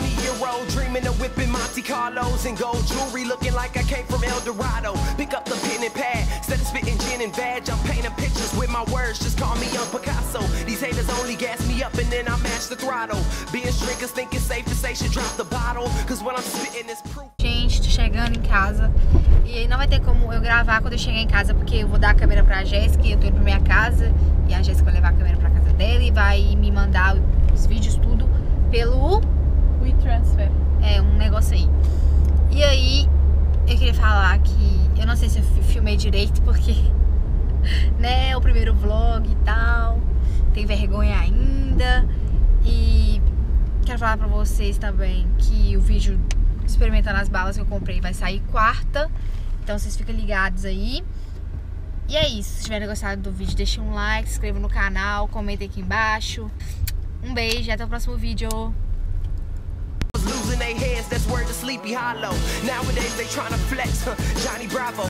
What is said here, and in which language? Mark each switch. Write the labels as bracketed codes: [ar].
[en] 20-year-old dreaming of whipping Monte Carlos and gold jewelry looking like I came from El Dorado. Pick up the pen and pad, instead of spitting gin painting veg, I'm painting pictures with my words. Just call me Young Picasso. These haters only gas me up and then I mash the throttle. Being shrinkers think it's safe to say she dropped the bottle. Cause when I'm spitting this proof. [pt] Gente, tô chegando em casa. E aí não vai ter como eu gravar quando eu chegar em casa, porque eu vou dar a câmera pra Jéssica e eu tô indo pra minha casa. E a Jéssica vai levar a câmera pra casa dela e vai me mandar os vídeos tudo pelo WeTransfer. É, um negócio aí. E aí, eu queria falar que eu não sei se eu filmei direito, porque, né, o primeiro vlog e tal, tem vergonha ainda. E quero falar pra vocês também que o vídeo experimentando as balas que eu comprei vai sair quarta. Então vocês ficam ligados aí. E é isso, se tiverem gostado do vídeo, deixem um like, se inscrevam no canal, comentem aqui embaixo. Um beijo e até o próximo vídeo. [en] Losing their heads, that's where the Sleepy Hollow. Nowadays they tryna flex, huh? Johnny Bravo.